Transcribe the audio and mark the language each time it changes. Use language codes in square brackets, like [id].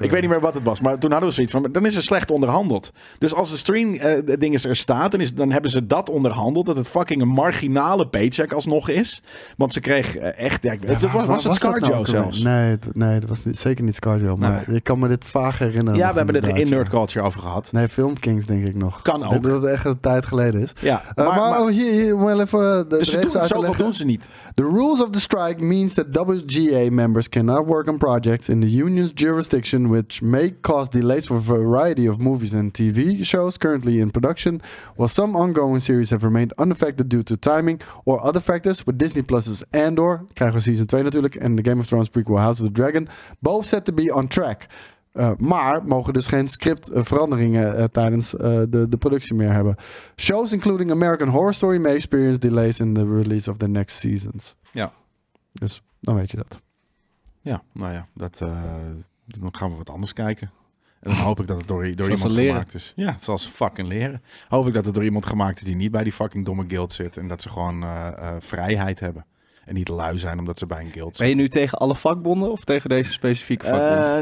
[nl] ik weet niet meer wat het was, maar toen hadden we zoiets van, dan is het slecht onderhandeld. Dus als de stream ding is er staat, dan hebben ze dat onderhandeld dat het fucking een marginale paycheck alsnog is. Want ze kreeg echt... Ja, was het ScarJo nou zelfs? Nee, dat was zeker niet ScarJo. Maar nee. Ik kan me dit vaag herinneren. Ja, we hebben het in Nerd Culture over gehad. Nee, Film Kings denk ik nog. Kan ook. Dat het echt een tijd geleden is. Ja, maar hier moet je even de reeks uitleggen. Zoveel doen ze niet. [en] The rules of the strike means that WGA members cannot work on projects in the union's jurisdiction which may cause delays for a variety of movies and TV shows currently in production. While some ongoing series have remained unaffected due to timing or other factors, with Disney Plus's Andor, [nl] krijgen we season 2 natuurlijk, [en] en the Game of Thrones prequel House of the Dragon, both set to be on track. [nl] Maar mogen dus geen scriptveranderingen tijdens de productie meer hebben. [en] Shows including American Horror Story may experience delays in the release of the next seasons. [nl] Ja. Dus dan weet je dat. Ja, nou ja. Dan gaan we wat anders kijken. En dan hoop ik dat het door iemand gemaakt is. Ja, zoals ze fucking leren. Hoop ik dat het door iemand gemaakt is die niet bij die fucking domme guild zit. En dat ze gewoon vrijheid hebben. En niet lui zijn omdat ze bij een guild zijn. Ben je nu tegen alle vakbonden of tegen deze specifieke vakbonden?